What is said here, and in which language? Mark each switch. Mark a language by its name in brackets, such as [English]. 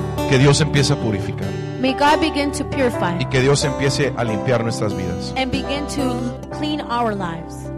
[Spanish] Que Dios empiece a purificar. [English] May God begin to purify. [Spanish] Y que Dios empiece a limpiar nuestras vidas. [English] And begin to clean our lives.